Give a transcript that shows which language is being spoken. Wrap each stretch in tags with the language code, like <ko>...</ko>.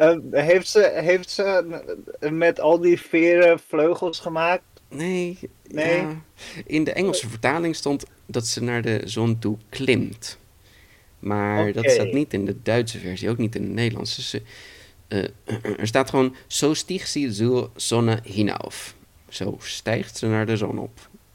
<nl>Heeft ze met al die veren vleugels gemaakt? Nee. Nee? Ja. In de Engelse vertaling stond dat ze naar de zon toe klimt. Maar okay. Dat staat niet in de Duitse versie, ook niet in de Nederlandse. Dus er staat gewoon,</nl> <de>so stieg sie zur Sonne hinauf.</de> <nl>Zo stijgt ze naar de zon op.</nl>